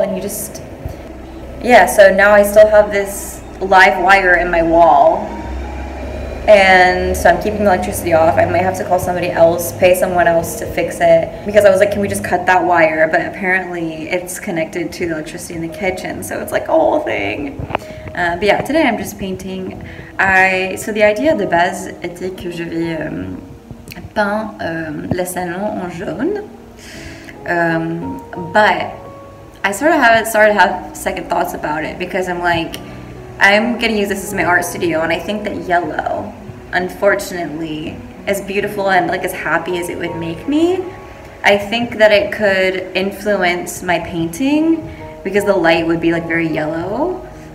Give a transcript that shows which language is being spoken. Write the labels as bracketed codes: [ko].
[en] And you just, yeah. So now I still have this live wire in my wall. And so I'm keeping the electricity off. I might have to call somebody else, pay someone else to fix it. Because I was like, can we just cut that wire? But apparently it's connected to the electricity in the kitchen. So it's like a whole thing. But yeah, today I'm just painting. So the idea, [fr] de base, était que je vais peint le salon en jaune. [en] But I sort of started to have second thoughts about it because I'm like, I'm gonna use this as my art studio, and I think that yellow, unfortunately, as beautiful and like as happy as it would make me, I think that it could influence my painting because the light would be like very yellow.